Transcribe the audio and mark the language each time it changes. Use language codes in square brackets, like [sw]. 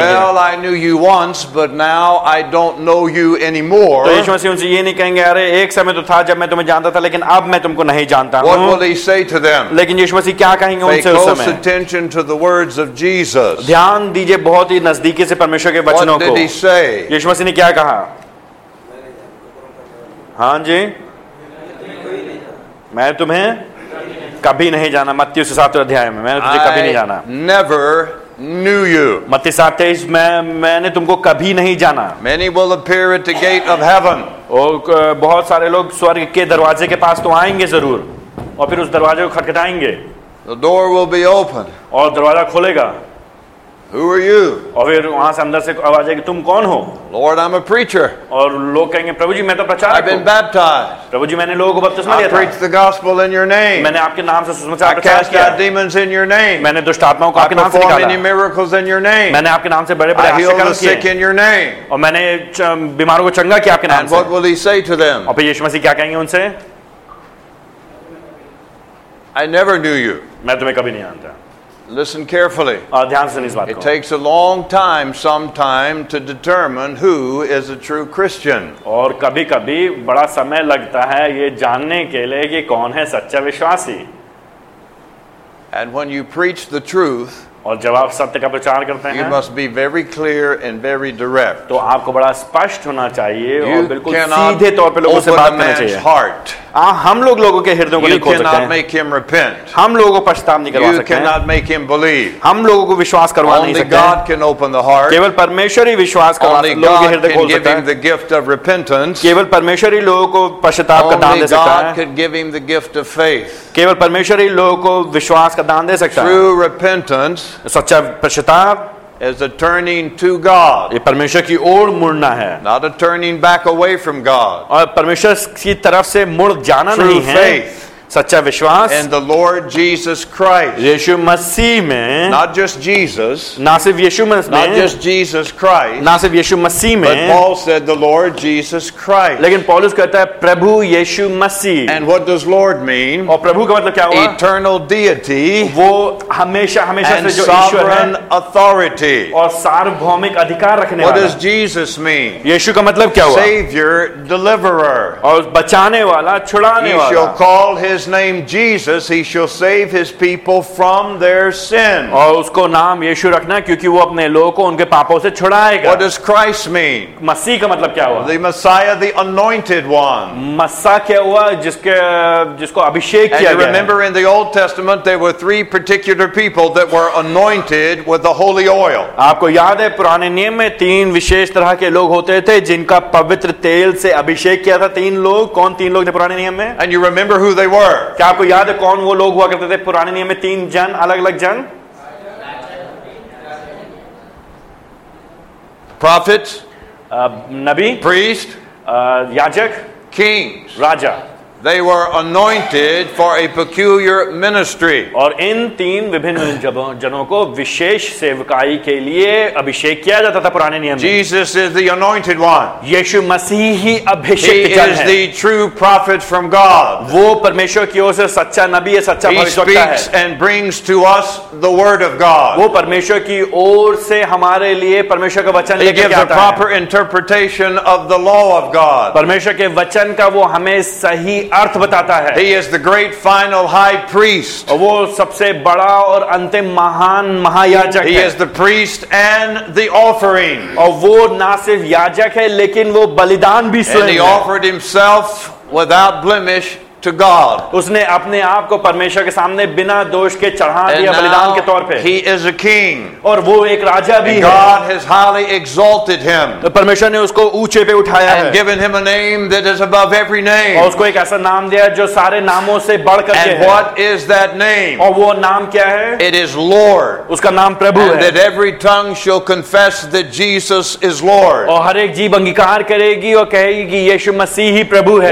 [en] Well, I knew you once, but now I don't know you anymore. [hi] तो यीशु मसीह उनसे ये नहीं कहेंगे, अरे एक समय तो था जब मैं तुम्हें जानता था, लेकिन अब मैं तुमको नहीं जानता हूँ. [en] What will he say to them? [hi] लेकिन यीशु मसीह क्या कहेंगे उनसे उस समय? [en] Pay close attention to the words of Jesus. [hi] ध्यान दीजिए बहुत ही नजदीकी से परमेश्वर के वचनों को. [en] What did he say? [hi] यीशु मसीह ने क्या कहा? हाँ जी, मैं तुम्हें कभी नहीं जाना. मत्ती उस सातवें अध्याय में मैंने तुझे कभी नहीं जाना. [en] Never knew you. [hi] मत्ती 7:23 में मैंने तुमको कभी नहीं जाना. [en] Many will appear at the gate of heaven. [hi] बहुत सारे लोग स्वर्ग के दरवाजे के पास तो आएंगे जरूर, और फिर उस दरवाजे को खटखटाएंगे. [en] The door will be open. [hi] और दरवाजा खोलेगा. [en] Who are you? [hi] और फिर वहां से अंदर से आवाज आएगी, तुम कौन हो? [en] Lord, I'm a preacher. [hi] और लोग कहेंगे, प्रभु जी मैं तो प्रचारक हूं. [en] I've been baptized. [hi] प्रभु जी मैंने लोगों को बपतिस्मा दिया था. [en] I preached the gospel in your name. [hi] मैंने आपके नाम से सुसमाचार प्रचार किया. [en] I cast out demons in your name. [hi] मैंने दुष्ट आत्माओं को आपके नाम से निकाला. [en] I performed many miracles in your name. [hi] मैंने आपके नाम से बड़े बड़े अद्भुत काम किए. [en] I healed the sick in your name. [hi] और मैंने बीमारों को चंगा किया आपके नाम से. [en] And what will he say to them? [hi] और फिर यीशु मसीह क्या कहेंगे उनसे? [en] I never knew you. [hi] मैं तुम्हें कभी नहीं जानता. [en] Listen carefully. [hi] ध्यान से इस बात को. [en] It takes a long time, sometime, to determine who is a true Christian. [hi] और कभी-कभी बड़ा समय लगता है ये जानने के लिए कि कौन है सच्चा विश्वासी. [en] And when you preach the truth, [hi] और जब आप सत्य का प्रचार करते हैं, [en] you must be very clear and very direct. [hi] तो आपको बड़ा स्पष्ट होना चाहिए और बिल्कुल सीधे तौर पे लोगों से बात करना चाहिए. [en] Heart. [hi] हम लोग लोगों के हृदयों को नहीं खोल सकते. [en] You cannot make him repent. [hi] हम लोगों को पछताव नहीं करवा सकते. [en] You cannot make him believe. [hi] हम लोगों को विश्वास करवा नहीं [en] Only God can open the heart. [hi] केवल परमेश्वर ही विश्वास करवा सकता है. [en] Only God can give him the gift of repentance. [hi] केवल परमेश्वर ही लोगों को पछताव का दान दे सकता है. [en] Only God can give him the gift of faith. [hi] केवल परमेश्वर ही लोगों को विश्वास का दान दे सकता है. [en] True repentance. [hi] सच्चा पछताव. [en] Is a turning to God. [hi] ये परमेश्वर की ओर मुड़ना है. [en] Not a turning back away from God. [hi] और परमेश्वर की तरफ से मुड़ जाना नहीं है. [en] True faith. [hi] सच्चा विश्वास. [en] And the Lord Jesus Christ. [hi] यीशु मसीह में. [en] Not just Jesus. [hi] ना सिर्फ यीशु मसीह में. [en] Not just Jesus Christ. [hi] ना सिर्फ यीशु मसीह में. [en] But Paul said the Lord Jesus Christ. [hi] लेकिन पौलुस कहता है प्रभु यीशु मसीह. [en] And what does Lord mean? [hi] और प्रभु का मतलब क्या हुआ? [en] Eternal deity. [hi] वो हमेशा हमेशा से जो ईश्वर है. [en] And sovereign authority. [hi] और सार्वभौमिक अधिकार रखने वाला. [en] What does Jesus mean? [hi] यीशु का मतलब क्या हुआ? [en] Savior, deliverer. [hi] और बचाने वाला, छुड़ाने वाला. [en] You shall call him His name Jesus, he shall save his people from their sin. [hi] और उसको नाम यीशु रखना क्योंकि वो अपने लोगों को उनके पापों से छुड़ाएगा. [en] What does Christ mean? [hi] मसीह का मतलब क्या हुआ? [en] The Messiah, the anointed one. [hi] मसीह क्या हुआ? जिसके जिसको अभिषेक किया गया. [en] And remember in the Old Testament there were three particular people that were anointed with the holy oil. [hi] आपको याद है पुराने नियम में तीन विशेष तरह के लोग होते थे जिनका पवित्र तेल से अभिषेक किया था. तीन लोग. कौन तीन लोग थे पुराने नियम में? [en] And you remember who they were. [hi] क्या आपको याद है कौन वो लोग हुआ करते थे पुराने नियम में? तीन जन, अलग अलग जन. [en] prophet, [hi] नबी, [en] priest, [hi] याजक, [en] king, [hi] Raja. [en] They were anointed for a peculiar ministry. [hi] और इन तीन विभिन्न जनों को विशेष सेवकाई के लिए अभिषेक किया जाता था पुराने नियम में. [en] Jesus is the anointed one. [hi] यीशु मसीह ही अभिषेक जन है. [en] He is the true prophet from God. [hi] वो परमेश्वर की ओर से सच्चा नबी है, सच्चा भविष्यवक्ता है. [en] He speaks and brings to us the word of God. [hi] वो परमेश्वर की ओर से हमारे लिए परमेश्वर का वचन लेकर आता है. [en] He gives a proper interpretation of the law of God. [hi] परमेश्वर के वचन का वो हमें सही अर्थ बताता है. [en] He is the great final high priest. [hi] वो सबसे बड़ा और अंतिम महान महायाजक है. [en] He is the priest and the offering. [hi] और वो ना सिर्फ याजक है लेकिन वो बलिदान भी स्वयं है. [en] And he offered himself without blemish to God. [hi] उसने अपने आप को परमेश्वर के सामने बिना दोष के चढ़ा दिया बलिदान के तौर पे. [en] He is a king. [hi] और वो एक राजा भी है. [en] God has highly exalted him. [hi] परमेश्वर ने उसको ऊंचे पे उठाया है. [en] And given him a name that is above every name. [hi] और उसको एक ऐसा नाम दिया जो सारे नामों से बढ़कर है. [en] And what is that name? [hi] और वो नाम क्या है? [en] It is Lord. [hi] उसका नाम प्रभु है. [en] And that every tongue shall confess that Jesus is Lord. [hi] और हर एक जीभ अंगीकार करेगी और कहेगी यीशु मसीह ही प्रभु है.